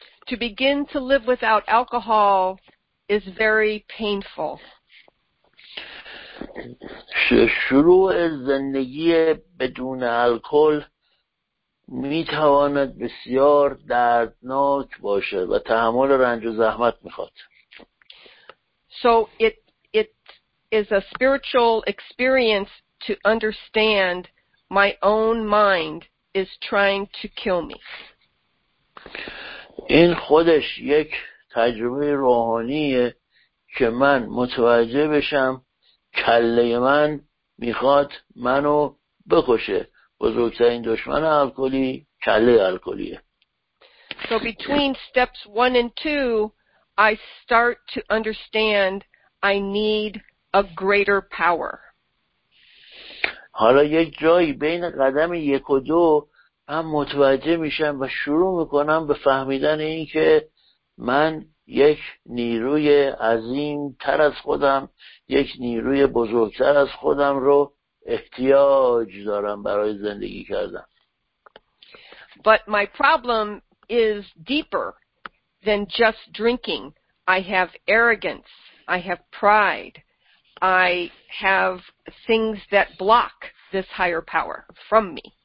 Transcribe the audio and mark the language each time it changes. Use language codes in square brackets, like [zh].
[en] To begin to live without alcohol is very painful. [fa] شروع زندگی بدون الکل میتواند بسیار دردناک باشه و تحمل رنج و زحمت میخواد. [en] So it is a spiritual experience to understand My own mind is trying to kill me. [fa] این خودش یک تجربه روحانیه که من متوجه بشم کله من میخواد منو بکشه. بزرگترین دشمن الکلی کله الکلیه. [en] So between steps 1 and 2 I start to understand I need a greater power. [fa] حالا یک جایی بین قدم 1 و 2 من متوجه میشم و شروع میکنم به فهمیدن این که من یک نیروی عظیم تر از خودم، یک نیروی بزرگتر از خودم رو احتیاج دارم برای زندگی کردن. [en] But my problem is deeper than just drinking. I have arrogance. I have pride. I have things that block this higher power from me.